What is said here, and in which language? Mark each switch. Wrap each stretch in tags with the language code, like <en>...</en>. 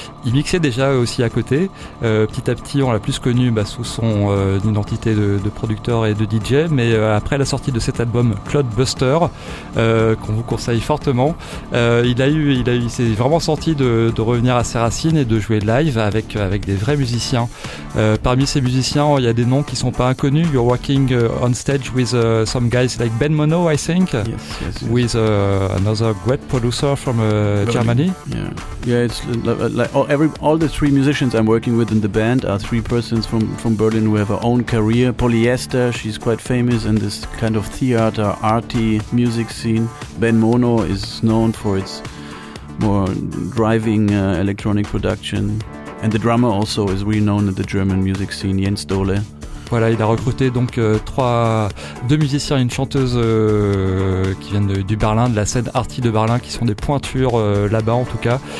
<fr>Il mixait déjà aussi à côté. Petit à petit, on l'a plus connu sous son identité de producteur et de DJ. Mais après la sortie de cet album Cloudbuster, qu'on vous conseille fortement, il s'est vraiment senti de revenir à ses racines et de jouer live avec des vrais musiciens. Parmi ces musiciens, il y a des noms qui ne sont pas inconnus.</fr> <en>You're working on stage with some guys like Ben Mono, I think. Yes. Yes, yes. With another great producer from Germany. Yeah, it's like all the three musicians I'm working with in the band are three persons from Berlin who have their own career. Polyester, she's quite famous in this kind of theater, arty music scene. Ben Mono is known for its more driving electronic production. And the drummer also is really known in the German music scene, Jens Dole.</en> <fr>Voilà, il a recruté donc deux musiciens et une chanteuse qui viennent du Berlin, de la scène arty de Berlin, qui sont des pointures là-bas en tout cas.</fr>